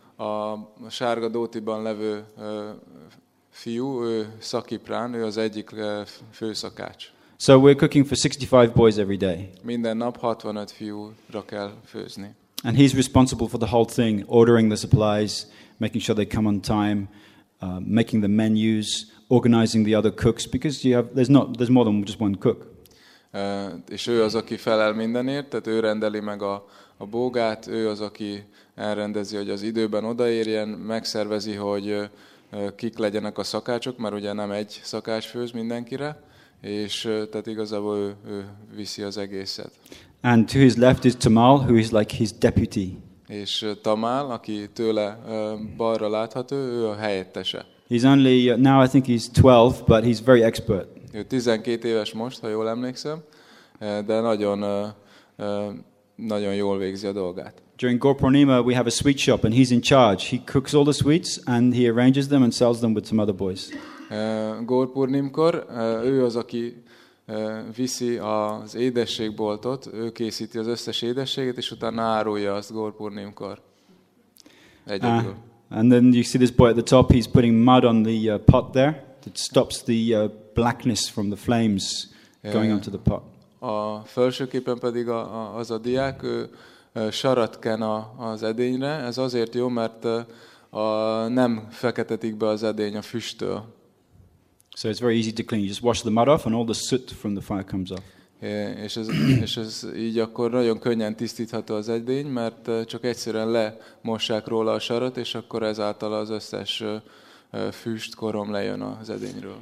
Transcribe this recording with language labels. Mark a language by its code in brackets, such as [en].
[hu] A sárga dhotiban levő fiú, ő Shaki Pran, ő az egyik főszakács. [en] So we're cooking for 65 boys every day. [hu] Minden nap 65 fiúra kell főzni. [en] And he's responsible for the whole thing, ordering the supplies, making sure they come on time, making the menus, organizing the other cooks, because there's more than just one cook. [hu] És ő az, aki felel mindenért, tehát ő rendeli meg a bógát, ő az, aki elrendezi, hogy az időben odaérjen, megszervezi, hogy kik legyenek a szakácsok, mert ugye nem egy szakács főz mindenkire, és tehát igazából ő viszi az egészet. [en] And to his left is Tamal, who is like his deputy. [hu] És Tamal, aki tőle balra látható, ő a helyettese. [en] He's only, now I think he's 12, but he's very expert. [hu] Ő 12 éves most, ha jól emlékszem, de nagyon, nagyon jól végzi a dolgát. [en] During Gaur Purnima we have a sweet shop and he's in charge. He cooks all the sweets and he arranges them and sells them with some other boys. [hu] Gaur Purnimkor ő az, aki viszi az édességboltot, ő készíti az összes édességet és utána árulja azt Gaur Purnimkor. [en] And then you see this boy at the top, he's putting mud on the pot there that stops the blackness from the flames going onto the pot. [hu] A felsőképpen pedig az a diák, ő sarat ken az edényre. Ez azért jó, mert nem feketetik be az edény a füsttől. [en] So it's very easy to clean. You just wash the mud off and all the soot from the fire comes off. [hu] És ez így akkor nagyon könnyen tisztítható az edény, mert csak egyszerűen lemossák róla a sarat, és akkor ezáltal az összes füst, korom lejön az edényről.